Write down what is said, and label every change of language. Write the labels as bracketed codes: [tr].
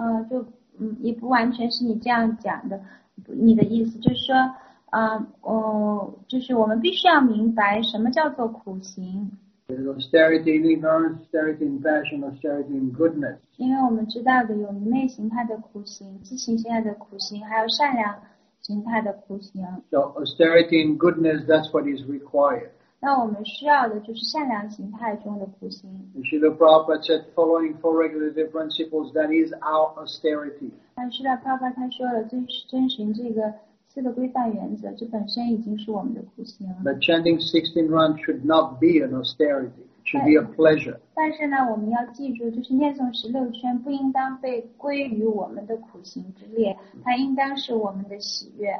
[zh] 就也不完全是你这样讲的，你的意思就是说，就是我们必须要明白什么叫做苦行。 [en] Austerity in ignorance, austerity in passion, austerity in goodness. [zh] 因为我们知道的有明昧形态的苦行、激情形态的苦行，还有善良形态的苦行。 [en] So austerity in goodness, that's what is required. [zh] 那我们需要的就是善良形态中的苦行。 [en] Srila Prabhupada said, following four regulative principles, that is our austerity. [zh] 但是呢，爸爸他说了，最遵循这个。这个规范原则，这本身已经是我们的苦行了。 [en] But chanting 16 rounds should not be an austerity; it should be a pleasure. [zh] 但是呢，我们要记住，就是念诵十六圈不应当被归于我们的苦行之列，它应当是我们的喜悦。